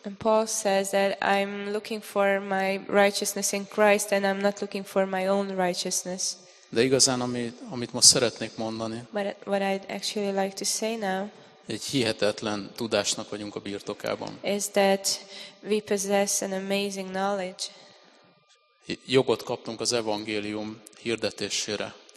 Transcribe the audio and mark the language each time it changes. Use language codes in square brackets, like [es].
[en] And Paul says that I'm looking for my righteousness in Christ and I'm not looking for my own righteousness. [hu] De igazán amit most szeretnék mondani. [en] But what I'd actually like to say now. [hu] Egy hihetetlen tudásnak vagyunk a birtokában. [en] Is that we possess an amazing knowledge. [hu] Jogot kaptunk az evangélium hirdetésére.